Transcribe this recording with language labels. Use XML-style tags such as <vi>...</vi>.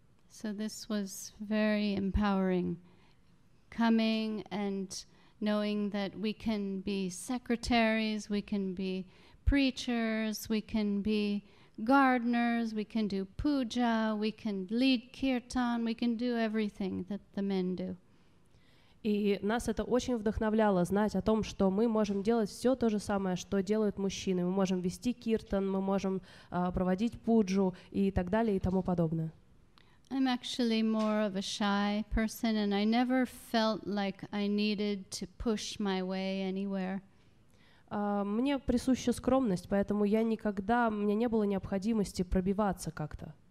<en>So this was very empowering, coming and knowing that we can be secretaries, we can be preachers, we can be... gardeners, we can do puja, we can lead kirtan, we can do everything that the men do.</en> <ru>И нас это очень вдохновляло знать о том, что мы можем делать все то же самое, что делают мужчины. Мы можем вести киртан, мы можем проводить пуджу и так далее и тому подобное.</ru> <en>I'm actually more of a shy person, and I never felt like I needed to push my way anywhere.</en> <ru>Мне присуща скромность, поэтому я никогда, у меня не было необходимости пробиваться как-то.</ru>